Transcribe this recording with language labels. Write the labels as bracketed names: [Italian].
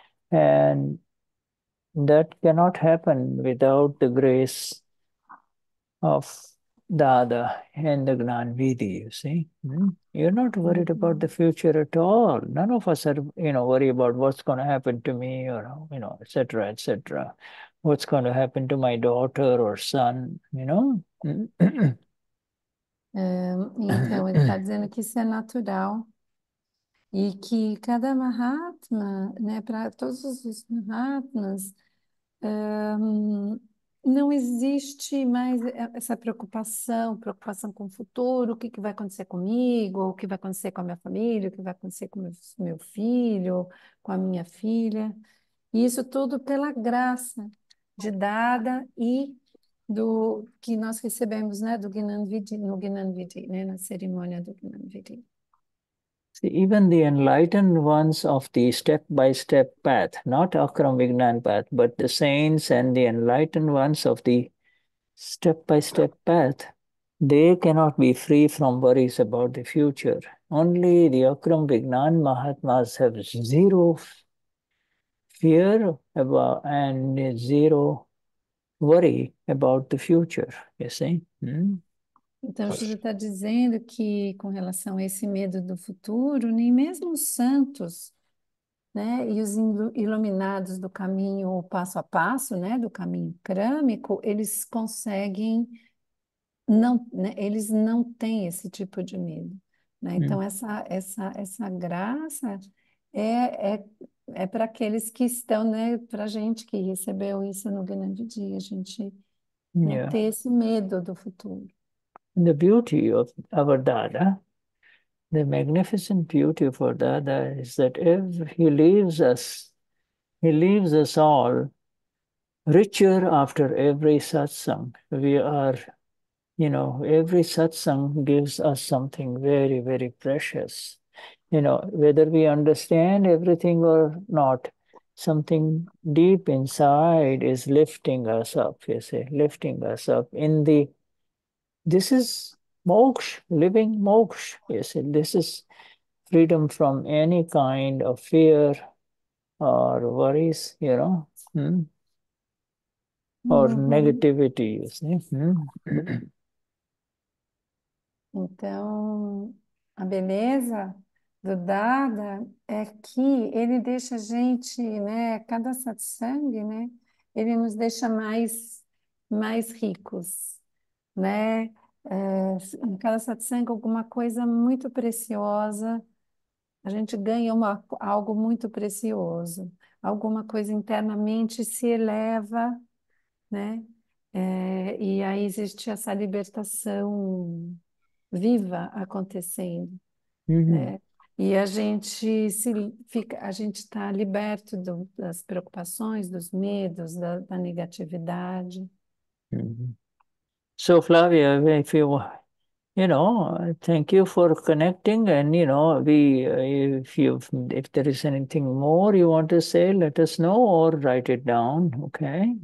[English] And that cannot happen without the grace of Dada and the Gnan Vidhi, you see. You're not worried about the future at all. None of us are, you know, worry about what's going to happen to me, or, you know, et cetera, et cetera. What's going to happen to my daughter or son, you know? [Portuguese] Então, ele está dizendo que isso é natural e que cada Mahatma, né, para todos os Mahatmas, não existe mais essa preocupação com o futuro, o que que vai acontecer comigo, o que vai acontecer com a minha família, o que vai acontecer com o meu filho, com a minha filha. E isso tudo pela graça de Dada e do que nós recebemos, né, do Gnan Vidhi, no Gnan Vidhi, né, na cerimônia do Gnan Vidhi. [English] Even the enlightened ones of the step-by-step path, not Akram Vignan path, but the saints and the enlightened ones of the step-by-step path, they cannot be free from worries about the future. Only the Akram Vignan Mahatmas have zero fear about and zero worry about the future, you see? [Portuguese] Então, Jesus está dizendo que, com relação a esse medo do futuro, nem mesmo os santos, né, e os iluminados do caminho, o passo a passo, né, do caminho crâmico, eles conseguem, não, né, eles não têm esse tipo de medo, né? Então, essa graça é para aqueles que estão, né, para a gente que recebeu isso no grande dia, a gente, né, ter esse medo do futuro. [English] And the beauty of our Dada, the magnificent beauty of our Dada is that he leaves us all richer after every satsang. We are, you know, every satsang gives us something very, very precious. You know, whether we understand everything or not, something deep inside is lifting us up, you see, lifting us up in the this is moksha, living moksha, you see. This is freedom from any kind of fear or worries, you know, or negativity, you see. [Portuguese] Então, a beleza do Dada é que ele deixa a gente, né, cada satsang, né, ele nos deixa mais ricos, né? Em cada satsang, alguma coisa muito preciosa, a gente ganha algo muito precioso, alguma coisa internamente se eleva, né? E aí existe essa libertação viva acontecendo, né? E a gente se fica, a gente está liberto das preocupações, dos medos, da negatividade. [English] So, Flavia, if you know, thank you for connecting, and you know, if there is anything more you want to say, let us know or write it down, okay?